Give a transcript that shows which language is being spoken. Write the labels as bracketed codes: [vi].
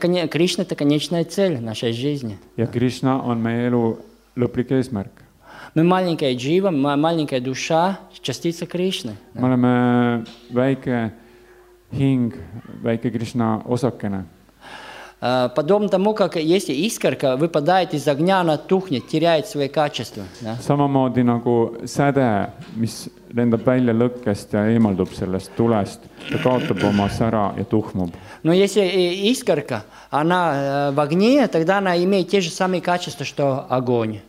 [ru] Кришна – это конечная цель нашей жизни. [et] Ja Кришна on meie elu lõplik eesmärk. [ru] Мы маленькая джива, маленькая душа, частица Кришны. [et] Мы oleme väike hing, väike Кришна osakene. [ru] Подобно тому, как если искорка выпадает из огня, она тухнет, теряет свои качества. [et] Samamoodi nagu säde, mis lendab välja lõkkest ja eemaldub sellest tulest, ta kaotab oma sära ja tuhmub. [ru] Но если искорка, она в огне, тогда она имеет те же самые качества, что огонь.